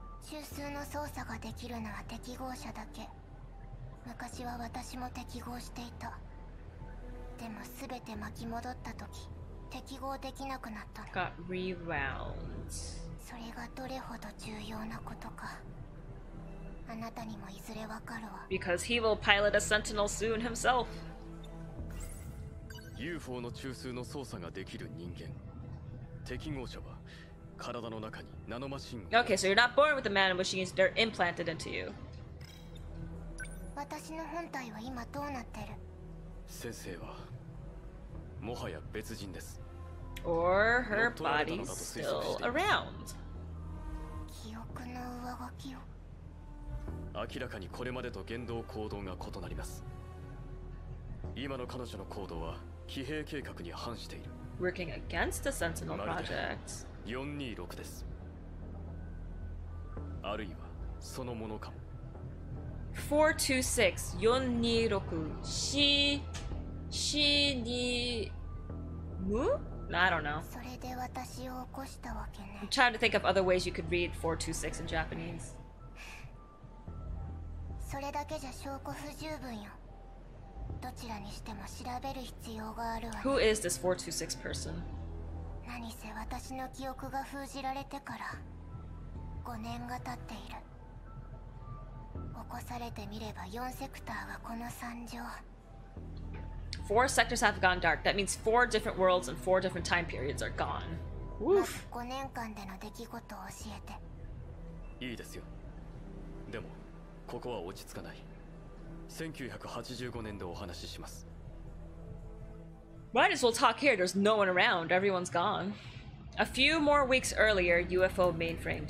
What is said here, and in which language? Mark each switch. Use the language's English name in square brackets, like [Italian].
[Japanese] 中枢の操作ができるのは適合者だけ。昔は私も適合していた。でも全て巻き戻った時。適合できなくなった。 [English] Got rewound. [Japanese] それがどれほど重要なことか。あなたにもいずれわかるわ。 [English] Because he will pilot a sentinel soon himself. [Japanese] UFO の中枢の操作ができる人間。適合者は体の中にナノマシン。 [English] Okay, so you're not born with the nano machines. They're implanted into you. [Japanese] 私の本体は今どうなってる？先生は。もはや別人です。 [English] Or her body's still around. [Japanese] 記憶の上書きを。明らかにこれまでと言動行動が異なります。今の彼女の行動は騎兵計画に反している。 [English] Working against the Sentinel Project. [Japanese] 426です。あるいはそのものかも。 426、426、し、しに。 [English] No, I don't know. [Japanese] それで私を起こしたわけね。 [English] I'm trying to think of other ways you could read 426 in Japanese. [Japanese] それだけじゃ証拠不十分よ。どちらにしても調べる必要があるわ。 [English] Who is this 426 person? [Japanese] 何せ私の記憶が封じられてから5年が経っている。起こされてみれば4セクターがこの惨状。 [English] Four sectors have gone dark. That means four different worlds and four different time periods are gone. Oof. [Japanese] 5年間での出来事を教えて。いいですよ。でも、ここは落ち着かない。 1985年でお話しします。 [English] Might as well talk here. There's no one around. Everyone's gone. A few more weeks earlier, UFO mainframe.